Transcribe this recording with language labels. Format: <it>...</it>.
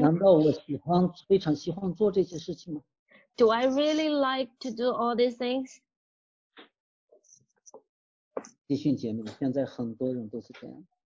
<zh>难道我非常喜欢做这些事情吗?</zh> <en>Do I really like to do all these things?</en> <zh>弟兄姐妹，现在很多人都是这样。</zh>